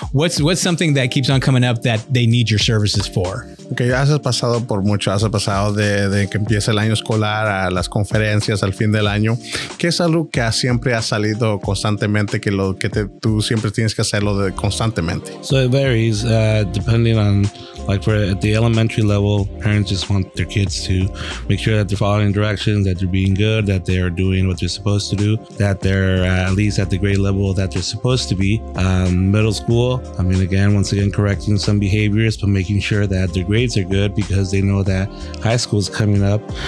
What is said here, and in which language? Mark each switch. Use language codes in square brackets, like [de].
[en] What's something that keeps on coming up that they need your services for? [es] Okay, ya has pasado por mucho, has pasado de que empieza el año escolar a las conferencias al fin del año. ¿Qué es algo que siempre ha salido constantemente que lo que tú siempre tienes que hacerlo constantemente? [en] So it varies depending on Like for at the elementary level, parents just want their kids to make sure that they're following directions, that they're being good, that they're doing what they're supposed to do, that they're at least at the grade level that they're supposed to be. Middle school, I mean, again, once again, correcting some behaviors, but making sure that their grades are good because they know that high school is coming up.